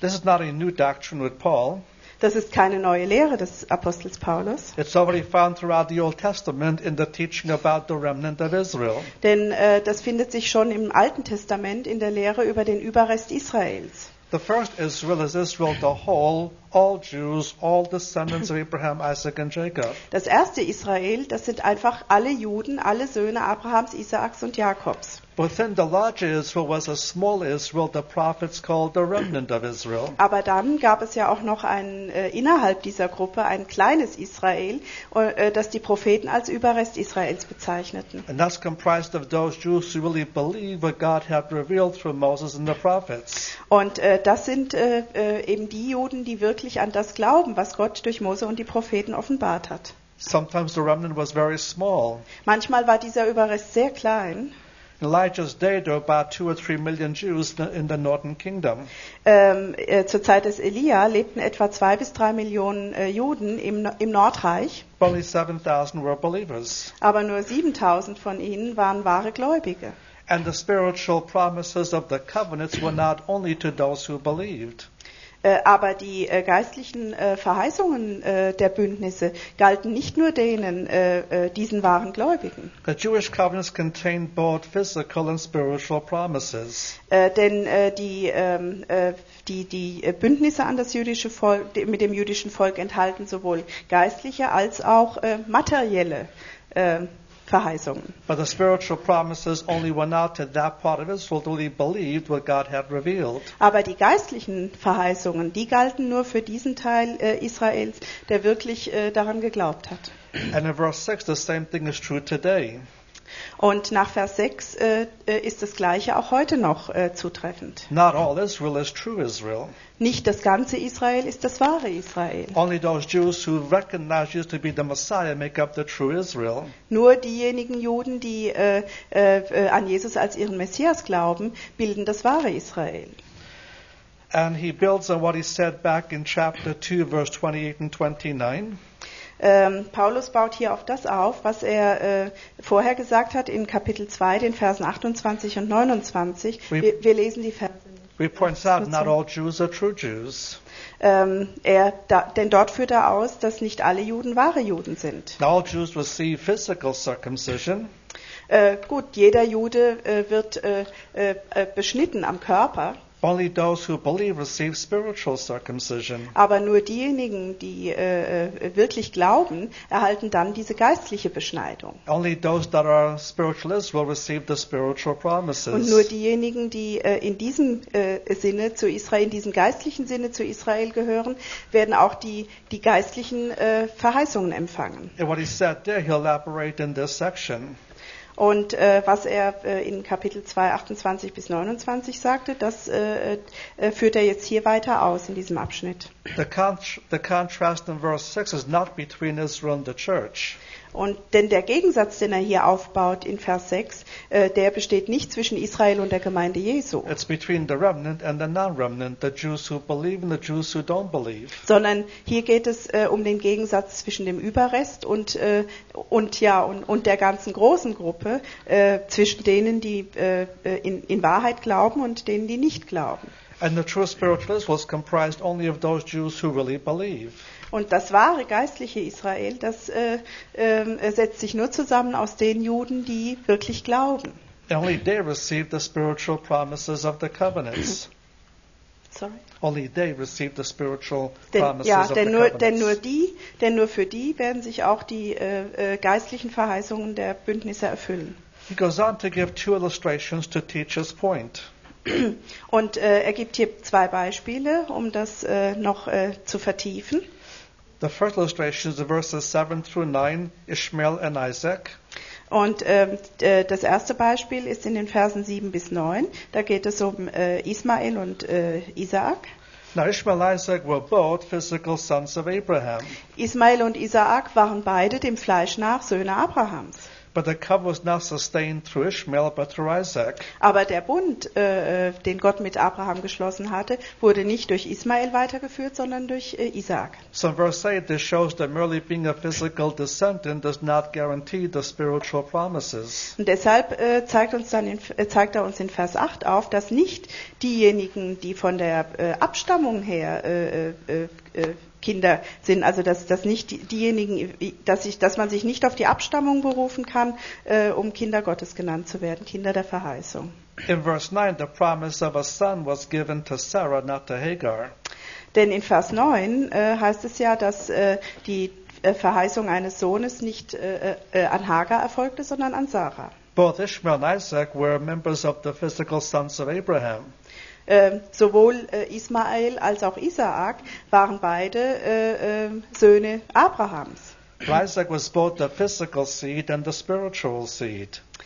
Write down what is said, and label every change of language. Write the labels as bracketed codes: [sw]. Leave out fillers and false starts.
[en] This is not a new doctrine with Paul. [de] Das ist keine neue Lehre des Apostels Paulus. [en] It's already found throughout the Old Testament in the teaching about the remnant of Israel. [de] Denn das findet sich schon im Alten Testament in der Lehre über den Überrest Israels. [en] The first Israel is Israel, the whole, all Jews, all descendants of Abraham, Isaac and Jacob. [de] Das erste Israel, das sind einfach alle Juden, alle Söhne Abrahams, Isaaks und Jakobs. [en] Within the larger Israel was a small Israel, the prophets called the remnant of Israel. [de] Aber dann gab es ja auch noch innerhalb dieser Gruppe ein kleines Israel, das die Propheten als Überrest Israels bezeichneten. [en] And that's comprised of those Jews who really believe what God had revealed through Moses and the prophets. [de] Und das sind eben die Juden, die wirklich an das glauben, was Gott durch Mose und die Propheten offenbart hat. [en] Sometimes the remnant was very small. [de] Manchmal war dieser Überrest sehr klein. [en] In Elijah's day, there were about 2 or 3 million Jews in the northern kingdom. [de] Zur Zeit des Elia lebten etwa 2 bis 3 Millionen Juden im Nordreich. [en] Only 7,000 were believers. [de] Aber nur 7,000 von ihnen waren wahre Gläubige. [en] And the spiritual promises of the covenants were not only to those who believed. [de] Aber die geistlichen Verheißungen der Bündnisse galten nicht nur denen, diesen wahren Gläubigen. [en] The Jewish covenants contained both physical and spiritual promises. [de] Denn die Bündnisse an das jüdische Volk, mit dem jüdischen Volk enthalten sowohl geistliche als auch materielle Verheißungen. [en] But the spiritual promises only went out to that part of Israel who really believed what God had revealed. [de] Aber die geistlichen Verheißungen, die galten nur für diesen Teil Israels, der wirklich daran geglaubt hat. [en] And in verse 6, the same thing is true today. [de] Und nach Vers 6 ist das Gleiche auch heute noch zutreffend. [en] Not all Israel is true Israel. [de] Nicht das ganze Israel ist das wahre Israel. [en] Only those Jews who recognize Jesus to be the Messiah make up the true Israel. [de] Nur diejenigen Juden, die an Jesus als ihren Messias glauben, bilden das wahre Israel. [en] And he builds on what he said back in chapter 2, verse 28 and 29. [de] Paulus baut hier auf das auf, was er vorher gesagt hat in Kapitel 2, den Versen 28 und 29. Wir lesen die Verse. [en] We point out not all Jews are true Jews. [de] Denn dort führt er aus, dass nicht alle Juden wahre Juden sind. [en] All Jews receive physical circumcision. [de] Gut, jeder Jude wird beschnitten am Körper. [en] Only those who believe receive spiritual circumcision. [de] Aber nur diejenigen, die wirklich glauben, erhalten dann diese geistliche Beschneidung. [en] Only those that are spiritual Israel receive the spiritual promises. [de] Und nur diejenigen, die in diesem Sinne zu Israel, in diesem geistlichen Sinne zu Israel gehören, werden auch die geistlichen Verheißungen empfangen. [en] And what he said there, he'll elaborate in this section. [de] Und was er in Kapitel 2, 28 bis 29 sagte, das führt er jetzt hier weiter aus in diesem Abschnitt. [en] The contrast in verse 6 is not between Israel and the church. [de] Und denn der Gegensatz, den er hier aufbaut in Vers 6, der besteht nicht zwischen Israel und der Gemeinde Jesu. [en] It's between the remnant and the non-remnant, the Jews who believe and the Jews who don't believe. [de] Sondern hier geht es um den Gegensatz zwischen dem Überrest und der ganzen großen Gruppe, zwischen denen, die in Wahrheit glauben und denen, die nicht glauben. [en] And the true spiritual Israel was comprised only of those Jews who really believe. [de] Und das wahre geistliche Israel, das setzt sich nur zusammen aus den Juden, die wirklich glauben. [en] Only they receive the spiritual promises of the covenants. Sorry. Only they receive the spiritual promises [de] ja, denn [en] of the [de] nur, [en] covenants. [de] Denn nur für die werden sich auch die geistlichen Verheißungen der Bündnisse erfüllen. [en] He goes on to give two illustrations to teach his point. [de] Und er gibt hier zwei Beispiele, um das noch zu vertiefen. [en] The first illustration is the verses 7 through 9, Ishmael and Isaac. [de] Und das erste Beispiel ist in den Versen 7 bis 9. Da geht es um Ismael und Isaac. [en] Now Ishmael and Isaac were both physical sons of Abraham. [de] Ismael und Isaac waren beide dem Fleisch nach Söhne Abrahams. [en] But the covenant was not sustained through Ishmael, but through Isaac. [de] Aber der Bund, den Gott mit Abraham geschlossen hatte, wurde nicht durch Ismael weitergeführt, sondern durch Isaac. [en] So in verse 8, this shows that merely being a physical descendant does not guarantee the spiritual promises. [de] Und deshalb zeigt er uns in Vers 8 auf, dass nicht diejenigen, die von der Abstammung her Kinder sind, also dass nicht diejenigen, dass man sich nicht auf die Abstammung berufen kann, um Kinder Gottes genannt zu werden, Kinder der Verheißung. [en] In verse 9, the promise of a son was given to Sarah, not to Hagar. [de] Denn in Vers 9 heißt es ja, dass die Verheißung eines Sohnes nicht an Hagar erfolgte, sondern an Sarah. [en] Both Ishmael and Isaac were members of the physical sons of Abraham. [de] Sowohl Ismael als auch Isaak waren beide Söhne Abrahams. [en] Isaac was both the physical seed and the spiritual seed.